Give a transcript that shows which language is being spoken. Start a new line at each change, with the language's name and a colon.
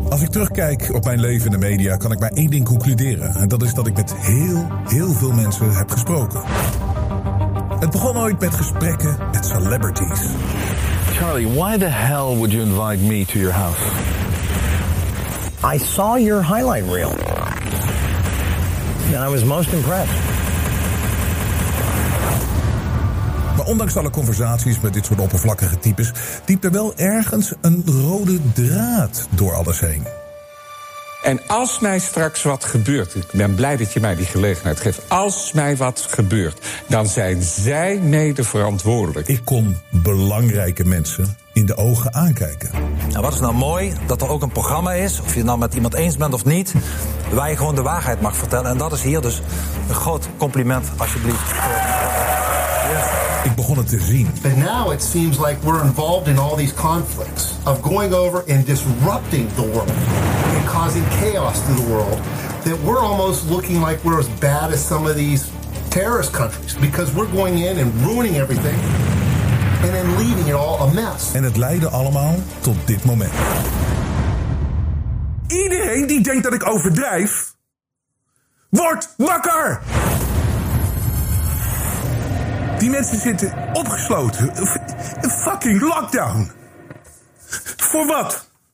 Dutch: terugkijk op mijn leven in de media, kan ik maar één ding concluderen. En dat is dat ik met heel, heel veel mensen heb gesproken. Het begon ooit met gesprekken met celebrities.
English: Charlie, why the hell would you invite me to your house? I saw your highlight reel. And I was most impressed.
Dutch: Ondanks alle conversaties met dit soort oppervlakkige types, diept er wel ergens een rode draad door alles heen. En als mij straks wat gebeurt, ik ben blij dat je mij die gelegenheid geeft, als mij wat gebeurt, dan zijn zij mede verantwoordelijk. Ik kon belangrijke mensen in de ogen aankijken. En wat is nou mooi, dat er ook een programma is, of je het nou met iemand eens bent of niet, waar je gewoon de waarheid mag vertellen. En dat is hier dus een groot compliment, alsjeblieft. Ik begon het te zien.
English: But now it seems like we're involved in all these conflicts of going over and disrupting the world and causing chaos to the world. That we're almost looking like we're as bad as some of these terrorist countries because we're going in and ruining everything and then leaving it all a mess.
Dutch: En het leidde allemaal tot dit moment. Iedereen die denkt dat ik overdrijf, wordt wakker! Die mensen zitten opgesloten. Fucking lockdown. Voor wat?